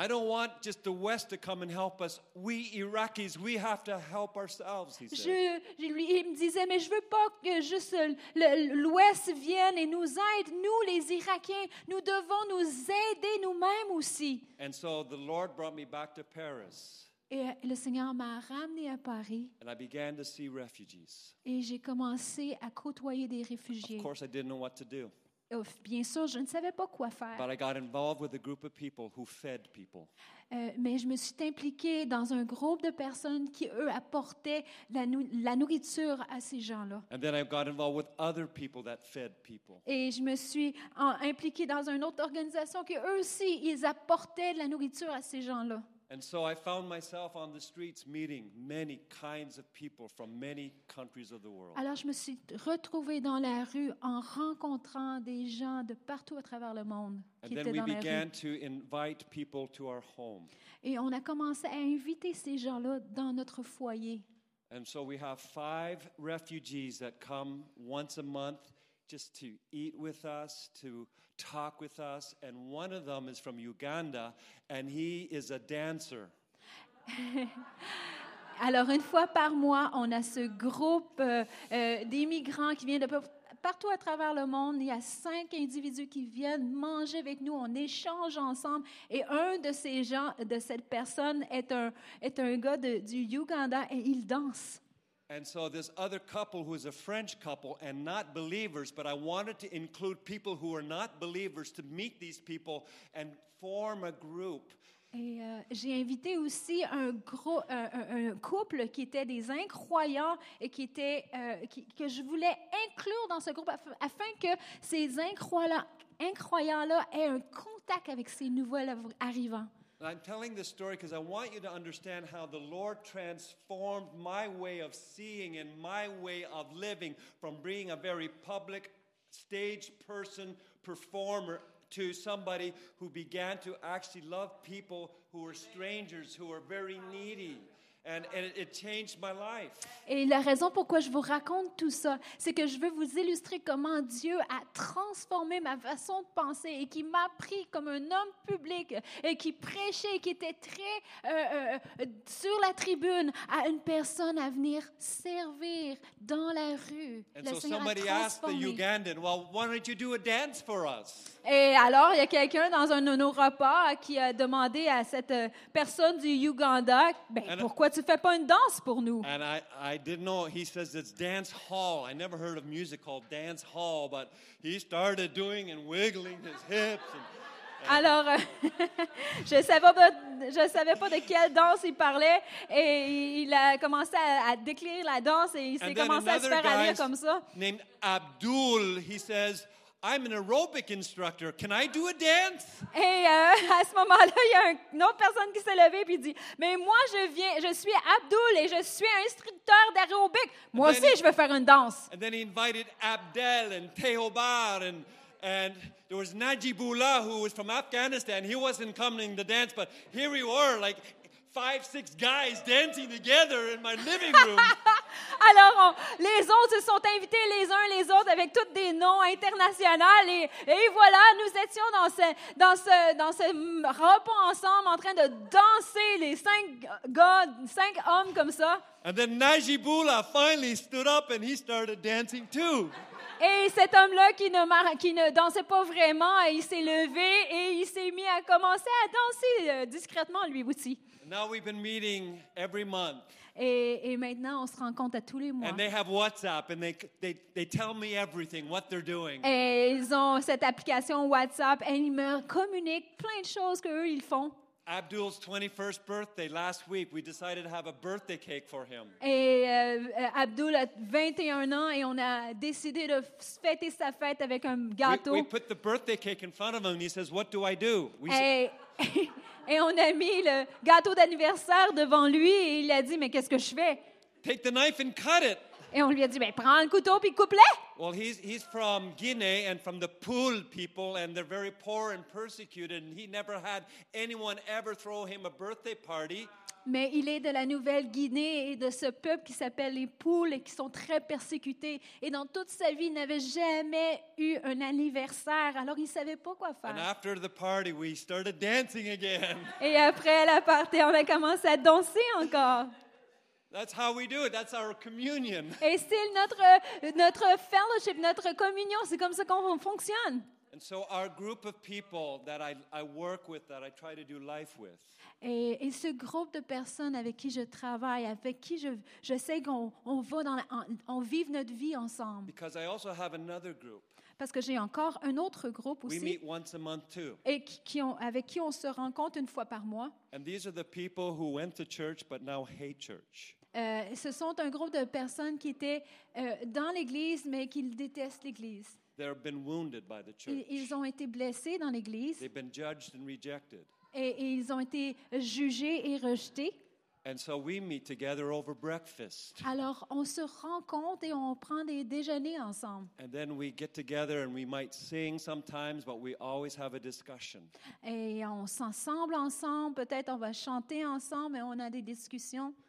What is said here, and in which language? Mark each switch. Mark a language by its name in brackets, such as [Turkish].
[English] I don't want just the West to come and help us. We Iraqis, we have to help ourselves, he said. [French] Il me disait, mais je veux pas que juste l'Ouest vienne et nous aide, nous les Irakiens, nous devons nous aider nous-mêmes aussi. [English] And so the Lord brought me back to Paris. [French] Et le Seigneur m'a ramené à Paris. [English] And I began to see refugees. [French] Et j'ai commencé à côtoyer des réfugiés. [English] Of course, I didn't know what to do. [French] Bien sûr, je ne savais pas quoi faire. [English] But I got involved with a group of people who fed people. [French] Mais je me suis impliquée dans un groupe de personnes qui, eux, apportaient la nourriture à ces gens-là. [English] And then I got involved with other people that fed people. [French] Et je me suis impliquée dans une autre organisation qui, eux aussi, ils apportaient de la nourriture à ces gens-là. [English] And so I found myself on the streets meeting many kinds of people from many countries of the world. [French] Alors je me suis retrouvée dans la rue en rencontrant des gens de partout à travers le monde qui étaient dans la rue. [English] And then we began to invite people to our home. [French] Et on a commencé à inviter ces gens-là dans notre foyer. [English] And so we have 5 refugees that come once a month just to eat with us, to talk with us, and one of them is from Uganda, and he is a dancer. [French] Alors, une fois par mois, on a ce groupe d'immigrants qui vient de partout à travers le monde. Il y a 5 individus qui viennent manger avec nous, on échange ensemble, et un de ces gens, de cette personne, est un gars du Uganda, et il danse. [English] And so this other couple, who is a French couple and not believers, but I wanted to include people who are not believers to meet these people and form a group. [French] Et j'ai invité aussi un couple qui était des incroyants et qui était que je voulais inclure dans ce groupe afin que ces incroyants-là aient un contact avec ces nouveaux arrivants. [English] And I'm telling this story because I want you to understand how the Lord transformed my way of seeing and my way of living from being a very public stage person, performer, to somebody who began to actually love people who were strangers, who were very needy. And it changed my life. [French] Et la raison pourquoi je vous raconte tout ça, c'est que je veux vous illustrer comment Dieu a transformé ma façon de penser et qui m'a pris comme un homme public et qui prêchait, qui était très sur la tribune à une personne à venir servir dans la rue. [English] And so somebody asked the Ugandan, well, why don't you do a dance for us? [French] Et alors, il y a quelqu'un dans un de nos repas qui a demandé à cette personne du Uganda, pourquoi tu ne fais pas une danse pour nous? [English] And I didn't know, he says it's dance hall. I never heard of music called dance hall, but he started doing and wiggling his hips. [French] Alors, je ne savais pas de quelle danse il parlait, et il a commencé à décrire la danse, et il s'est commencé à se faire rire comme ça. [English] Named Abdul, he says, I'm an aerobic instructor. Can I do a dance? [French] Et à ce moment-là, il y a une autre personne qui s'est levée puis dit, mais moi, je suis Abdul et je suis instructeur d'aerobic. Moi aussi, je veux faire une danse. [English] And then he invited Abdel and Tehobar and there was Najibullah who was from Afghanistan. He wasn't coming to dance, but here we were, like 5-6 guys dancing together in my living room. [French] Alors, les autres se sont invités les uns les autres avec tous des noms internationaux et voilà, nous étions dans ce repos ensemble en train de danser les cinq hommes comme ça. [English] And then Najibullah finally stood up and he started dancing too. [French] Et cet homme-là qui ne dansait pas vraiment, il s'est levé et il s'est mis à commencer à danser discrètement lui aussi. [English] Now we've been meeting every month. [French] Et maintenant, on se rencontre à tous les mois. [English] And they have WhatsApp and they tell me everything, what they're doing. [French] Et ils ont cette application WhatsApp et ils me communiquent plein de choses qu'eux, ils font. [English] Abdul's 21st birthday last week, we decided to have a birthday cake for him. [French] Et Abdul a 21 ans et on a décidé de fêter sa fête avec un gâteau. [English] We put the birthday cake in front of him and he says, what do I do? [French] Et on a mis le gâteau d'anniversaire devant lui et il a dit, mais qu'est-ce que je fais? [English] Take the knife and cut it. [French] Et on lui a dit, mais prends le couteau puis coupe-le. [English] Well, he's from Guinea and from the Poul people and they're very poor and persecuted and he never had anyone ever throw him a birthday party. [French] Mais il est de la Nouvelle-Guinée et de ce peuple qui s'appelle les Poul et qui sont très persécutés. Et dans toute sa vie, il n'avait jamais eu un anniversaire, alors il ne savait pas quoi faire. [English] And after the party, we started dancing again. [French] Et après la party, on a commencé à danser encore. [English] That's how we do it. That's our communion. [French] Et c'est notre fellowship, notre communion, c'est comme ça qu'on fonctionne. [English] And so our group of people that I work with, that I try to do life with. [French] Et ce groupe de personnes avec qui je travaille, avec qui je sais qu'on va on vive notre vie ensemble. [English] Because I also have another group. [French] Parce que j'ai encore un autre groupe aussi. [English] We meet once a month too. [French] Et avec qui on se rencontre une fois par mois. [English] And these are the people who went to church but now hate church. [French] Ce sont un groupe de personnes qui étaient dans l'église mais qui détestent l'église. [English] They have been wounded by the church. [French] Ils ont été blessés dans l'église. [English] They've been judged and rejected. [French] Et ils ont été jugés et rejetés. [English] And so we meet together over breakfast. [French] Alors, on se rencontre et on prend des déjeuners ensemble. [English] And then we get together and we might sing sometimes, but we always have a discussion. [French] Et on s'ensemble ensemble, peut-être on va chanter ensemble, mais on a des discussions.